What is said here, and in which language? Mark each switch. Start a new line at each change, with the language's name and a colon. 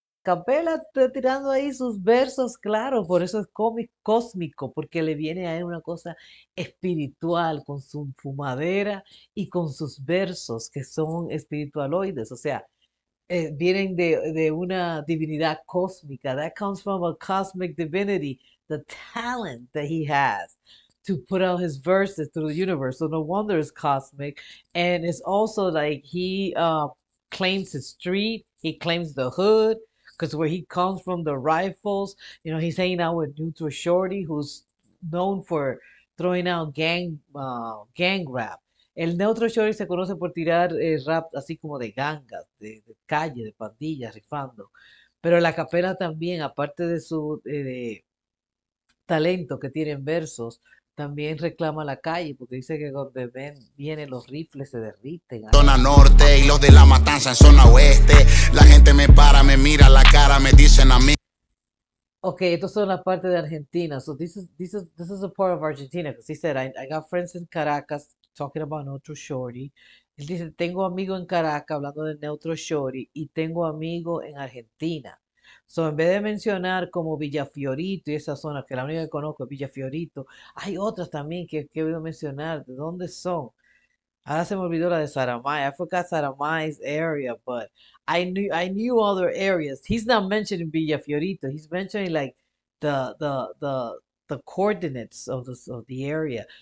Spanish: Acapella tirando ahí sus versos, claro, por eso es cósmico, porque le viene a él una cosa espiritual con su fumadera y con sus versos que son espiritualoides, o sea, vienen de una divinidad cósmica.
English: That comes from a cosmic divinity, the talent that he has to put out his verses through the universe. So no wonder it's cosmic. And it's also like he claims the street, he claims the hood, because where he comes from, the rifles, you know, he's hanging out with Neutro Shorty, who's known for throwing out gang rap.
Spanish: El Neutro Shorty se conoce por tirar rap así como de gangas, de calle, de pandillas, rifando. Pero la Acapella también, aparte de su talento que tiene en versos, también reclama la calle, porque dice que donde ven, vienen los rifles, se derriten. Zona norte y los de la matanza en zona oeste. La gente me para, me mira la cara, me dicen a mí. Ok, estas son las partes de Argentina.
English: So this is a part of Argentina. Because he said, I got friends in Caracas talking about Neutro Shorty.
Spanish: Él dice, tengo amigo en Caracas hablando de Neutro Shorty y tengo amigo en Argentina. So, en vez de mencionar como Villafiorito y esa zona, que la única que conozco es Villafiorito, hay otras también que he oído mencionar. ¿De dónde son? Ahora se me olvidó la de Saramay.
English: I forgot Saramay's area, but I knew other areas. He's not mentioning Villafiorito. He's mentioning like the coordinates of the area.